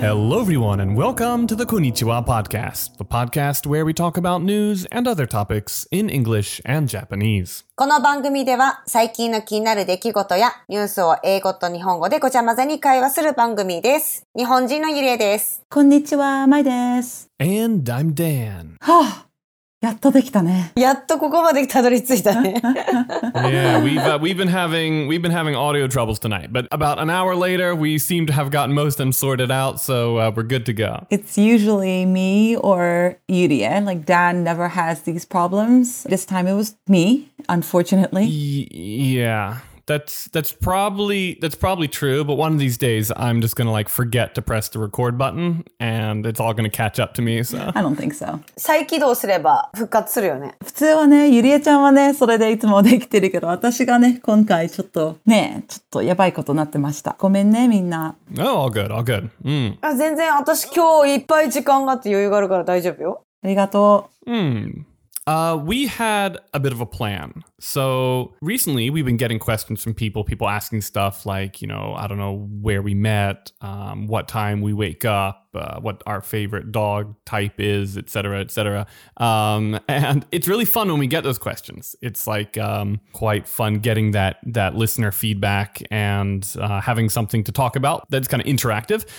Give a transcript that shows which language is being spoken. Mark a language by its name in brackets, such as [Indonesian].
[English] Hello everyone and welcome to the Konnichiwa Podcast, the podcast where we talk about news and other topics in English and Japanese. [Japanese] この番組では最近の気になる出来事やニュースを英語と日本語でごちゃ混ぜに会話する番組です。日本人のゆりえです。こんにちは、まいです。 [English] And I'm Dan. [Japanese] はあ、やっとできたね。やっとここまでたどり着いたね。 [English] Yeah, we've been having audio troubles tonight, but about an hour later, we seem to have gotten most of them sorted out, so we're good to go. It's usually me or Yurie. Like, Dan never has these problems. This time it was me, unfortunately. Yeah. That's probably true, but one of these days I'm just gonna like forget to press the record button and it's all gonna catch up to me, so. I don't think so. [Japanese] 再起動すれば復活するよね。普通はね、ゆりえちゃんはね、それでいつもできてるけど、私がね、今回ちょっとね、ちょっとやばいことになってました。ごめんね、みんな。 [English] Oh, all good, all good. Mm. [Japanese] 全然、私今日いっぱい時間があって余裕があるから大丈夫よ。ありがとう。 [English] Mm. We had a bit of a plan. So recently we've been getting questions from people asking stuff like, you know, I don't know where we met, what time we wake up, what our favorite dog type is, et cetera, et cetera. And it's really fun when we get those questions. It's like quite fun getting that listener feedback and having something to talk about that's kind of interactive.